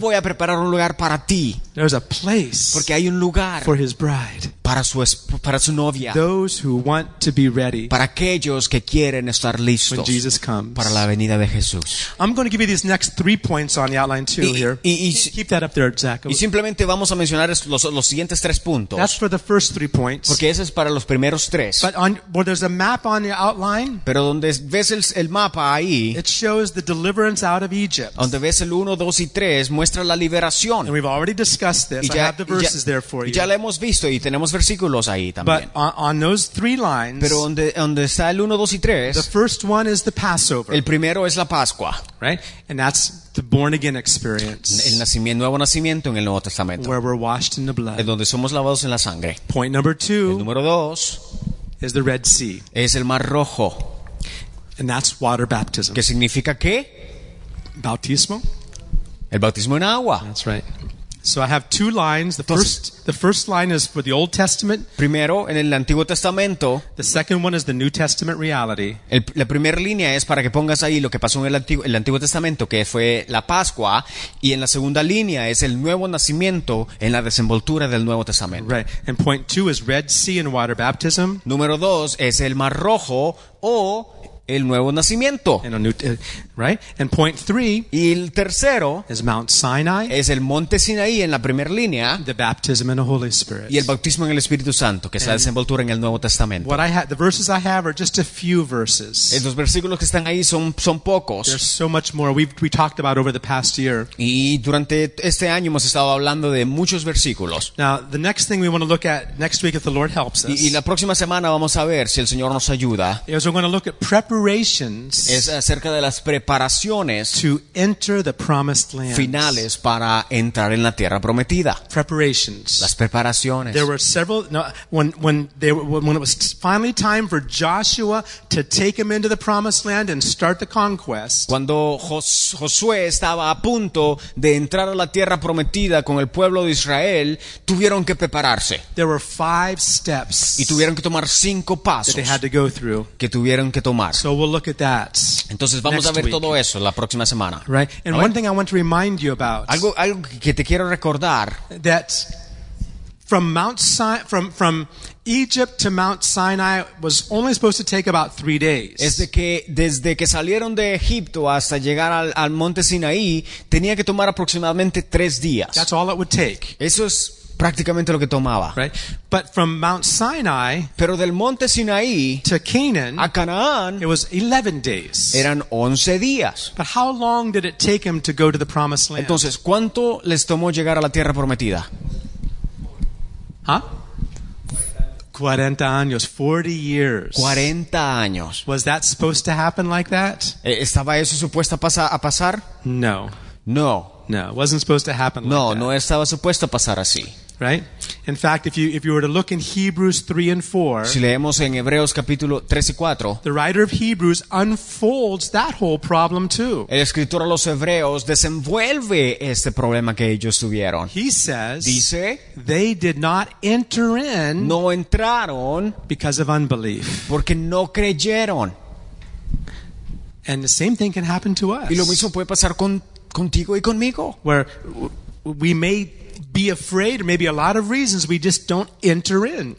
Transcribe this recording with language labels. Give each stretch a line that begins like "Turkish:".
Spanish: Voy a preparar un lugar para ti.
English: There's a place.
Spanish: Porque hay un lugar.
English: For his bride.
Spanish: Para su novia.
English: Those who want to be ready.
Spanish: Para aquellos que quieren estar listos.
English: When Jesus comes.
Spanish: Para la venida de Jesús.
English: I'm going to give you these next 3 points on the outline too here. Keep that up there, Zach.
Spanish: Y simplemente vamos a mencionar los siguientes 3 puntos.
English: That's for the first 3 points.
Spanish: Porque ese es para los primeros 3.
English: But on where there's a map on the outline.
Spanish: Pero donde ves el mapa ahí.
English: It shows the deliverance out of Egypt.
Spanish: Donde ves el 1, 2 y 3 muestra la liberación.
English: And we've already discussed this.
Spanish: Ya,
English: I have the verses there for
Spanish: ya
English: you.
Spanish: Ya lo hemos visto y tenemos versículos ahí también.
English: But on those 3 lines,
Spanish: pero donde está el 1, 2 y 3,
English: the first one is the Passover.
Spanish: El primero es la Pascua,
English: right? And that's the born again experience.
Spanish: El nacimiento, nuevo nacimiento en el Nuevo Testamento.
English: Where we're washed in the blood.
Spanish: En donde somos lavados en la sangre.
English: Point number 2.
Spanish: El número 2
English: is the Red Sea.
Spanish: Es el Mar Rojo.
English: And that's water baptism.
Spanish: ¿Qué significa qué? Bautismo. El bautismo en agua.
English: That's right. So I have 2 lines. The first line is for the Old Testament.
Spanish: Primero, en el Antiguo Testamento.
English: The second one is the New Testament reality.
Spanish: La primera línea es para que pongas ahí lo que pasó en el Antiguo Testamento, que fue la Pascua. Y en la segunda línea es el nuevo nacimiento en la desenvoltura del Nuevo Testamento.
English: Right. And point 2 is Red Sea and water baptism.
Spanish: Número 2 es el Mar Rojo o el nuevo nacimiento.
English: And a new, right? And point 3.
Spanish: Y el tercero
English: is Mount Sinai.
Spanish: Es el Monte Sinaí en la primera línea.
English: The baptism in the Holy Spirit.
Spanish: Y el bautismo en el Espíritu Santo, que es la desenvoltura en el Nuevo Testamento.
English: What I have, the verses I have are just a few verses.
Spanish: Los versículos que están ahí son pocos.
English: There's so much more we talked about over the past year.
Spanish: Y durante este año hemos estado hablando de muchos versículos.
English: Now, the next thing we want to look at next week if the Lord helps us.
Spanish: Y la próxima semana vamos a ver si el Señor nos ayuda.
English: Is we're going to look at preparation. preparations
Spanish: es acerca de las preparaciones
English: to enter the promised land.
Spanish: Finales para entrar en la tierra prometida.
English: Preparations.
Spanish: Las preparaciones.
English: There were several. No, when it was finally time for Joshua to take him into the promised land and start the conquest.
Spanish: Cuando Josué estaba a punto de entrar a la tierra prometida con el pueblo de Israel, tuvieron que prepararse.
English: There were five steps.
Spanish: Y tuvieron que tomar cinco pasos.
English: They had to go through.
Spanish: Que tuvieron que tomar.
English: So we'll look at that.
Spanish: Entonces vamos
English: next
Spanish: a ver
English: week.
Spanish: Todo eso la próxima semana.
English: Right. And
Spanish: a
English: one
Spanish: ver.
English: Thing I want to remind you about.
Spanish: Algo que te quiero recordar.
English: That from Mount Sinai, from Egypt to Mount Sinai was only supposed to take about 3 days.
Spanish: Es de que desde que salieron de Egipto hasta llegar al Monte Sinaí tenía que tomar aproximadamente 3 días.
English: That's all it would take.
Spanish: Eso es prácticamente lo que tomaba.
English: Right. But from Mount Sinai,
Spanish: pero del Monte Sinaí
English: to Canaan,
Spanish: a Canaán,
English: it was 11 days.
Spanish: Eran 11 días.
English: But how long did it take him to go to the promised land?
Spanish: Entonces, ¿cuánto les tomó llegar a la tierra prometida? ¿Ah? 40 años,
English: 40 years.
Spanish: 40 años.
English: Was that supposed to happen like that?
Spanish: ¿Estaba eso supuesto a pasar?
English: No.
Spanish: No.
English: No, it wasn't supposed to happen like
Spanish: no,
English: that.
Spanish: No estaba supuesto a pasar así.
English: Right? In fact, if you were to look in Hebrews 3 and 4,
Spanish: si leemos en Hebreos capítulo 3 y 4,
English: the writer of Hebrews unfolds that whole problem too.
Spanish: El escritor a los Hebreos desenvuelve este problema que ellos tuvieron.
English: He says,
Spanish: dice,
English: they did not enter in,
Spanish: no entraron,
English: because of unbelief,
Spanish: porque no creyeron.
English: And the same thing can happen to us.
Spanish: Y lo mismo puede pasar contigo y conmigo.
English: Where we may be afraid, maybe a lot of reasons we just don't enter in.